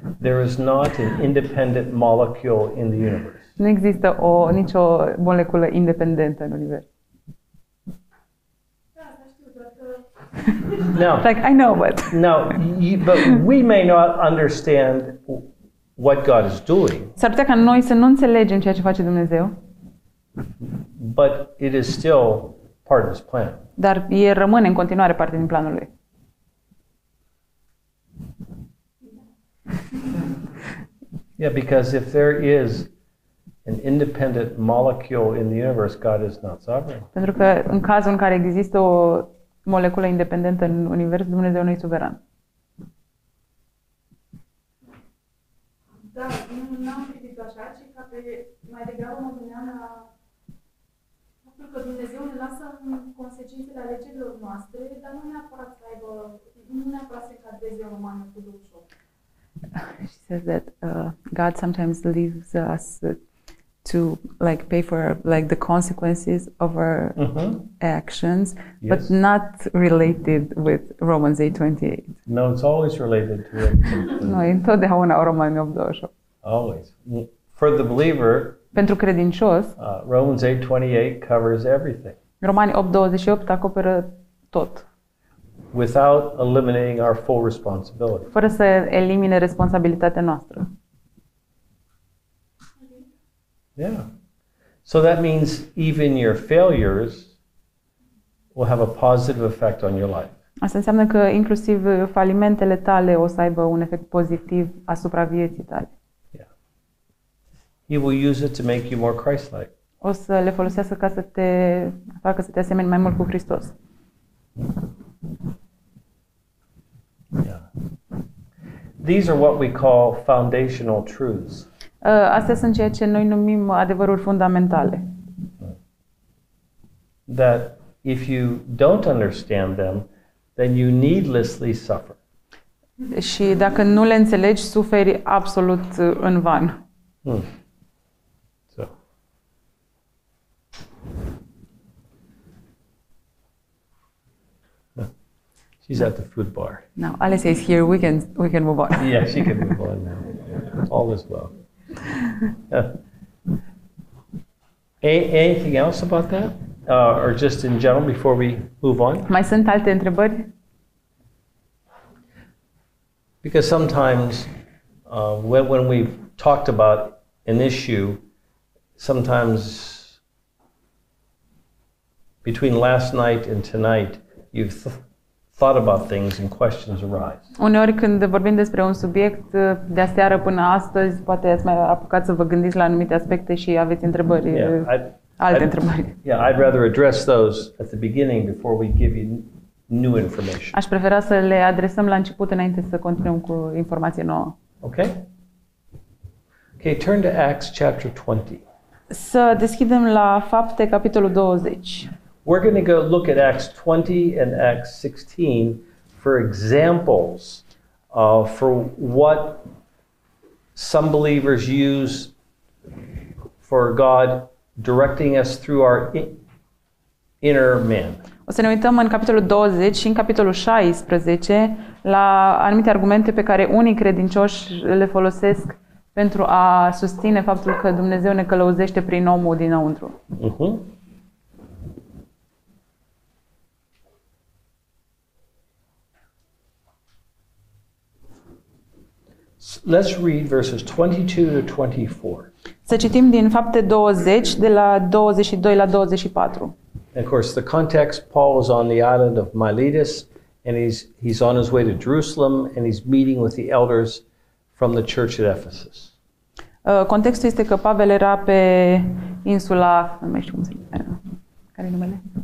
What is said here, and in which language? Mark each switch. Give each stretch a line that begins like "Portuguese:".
English: There is not an independent molecule in the universe.
Romanian: Nu există nicio moleculă independentă în univers. Da, știu,
English: like I know, but but we may not understand what God is doing.
Romanian: S-ar putea ca noi să nu înțelegem ceea ce face Dumnezeu.
English: But it is still part of his plan.
Romanian: Dar e rămâne în continuare parte din planul lui.
English: Yeah, because if there is an independent molecule in the universe, God is not sovereign.
Romanian: Pentru că în cazul în care există o moleculă independentă în univers, Dumnezeu nu e suveran. Da, nu am criticat așa, ci ca pe mai degrabă mă gândeam la faptul că Dumnezeu ne lasă consecințele alegerilor noastre, dar nu neapărat să aibă, nu neapărat să încadreze o mană cu Duhul Său.
English: She says that God sometimes leaves us to like pay for like the consequences of our actions, yes. But not related with Romans 8:28. No, it's always related to it.
Romanian: No, întotdeauna Romani 8:28.
English: Always. For the believer,
Romanian: pentru credincios,
English: Romans 8:28 covers everything.
Romanian: Romani 8:28 acoperă tot.
English: Without eliminating our full responsibility.
Romanian: Fără să elimine responsabilitatea noastră.
English: Yeah. So that means even your failures will have a positive effect on your life.
Romanian: Asta înseamnă că inclusiv falimentele tale o să aibă un efect pozitiv asupra vieții tale.
English: Yeah. He will use it to make you more Christ-like.
Romanian: O să le folosească ca să te facă să te asemeni mai mult cu Hristos.
English: These are what we call foundational truths.
Romanian: Astea sunt ceea ce noi numim adevăruri fundamentale.
English: That if you don't understand them, then you needlessly suffer.
Romanian: Și dacă nu le înțelegi, suferi absolut în van.
English: So. She's at the food bar. Now, Alice is here. We can move on. Yeah, she can move on now. All is well. Anything else about that? Or just in general before we move on?
Romanian: Mai sunt alte întrebări?
English: Because sometimes when we've talked about an issue, sometimes between last night and tonight, you've thought about things and questions arise.
Romanian: Uneori când vorbim despre un subiect de aseară până astăzi, poate ați mai apucat să vă gândiți la anumite aspecte și aveți întrebări, întrebări.
English: Yeah, I'd rather address those at the beginning before we give you new information.
Romanian: Aș prefera să le adresăm la început înainte să continuăm cu informație nouă.
English: Okay? Okay, turn to Acts chapter 20.
Romanian: Să deschidem la Fapte capitolul 20.
English: We're going to go look at Acts 20 and Acts 16 for examples for what some believers use for God directing us through our inner man.
Romanian: O să ne uităm în capitolul 20 și în capitolul 16 la anumite argumente pe care unii credincioși le folosesc pentru a susține faptul că Dumnezeu ne călăuzește prin omul dinăuntru.
English: Let's read verses 22-24.
Romanian: Să citim din Fapte 20 de la 22 la 24.
English: And of course, the context, Paul is on the island of Miletus and he's on his way to Jerusalem and he's meeting with the elders from the church at Ephesus.
Romanian: Contextul este că Pavel era pe insula, nu mai știu cum se numește, care e numele?